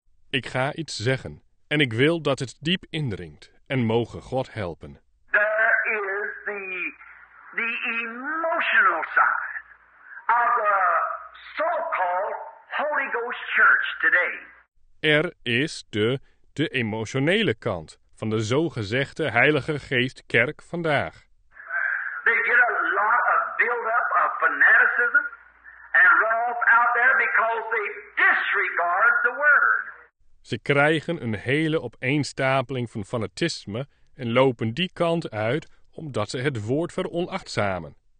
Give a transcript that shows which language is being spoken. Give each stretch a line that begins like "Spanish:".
Dutch: Ik ga iets zeggen en ik wil dat het diep indringt en mogen God helpen.
English: There is the emotional side of the so-called Holy Ghost Church today.
Dutch: Er is de emotionele kant van de zogezegde Heilige Geest Kerk vandaag.
English: They get a lot of build-up of fanaticism and run-off out there because they disregard the word.
Dutch: Ze krijgen een hele opeenstapeling van fanatisme en lopen die kant uit omdat ze het woord veronachtzamen.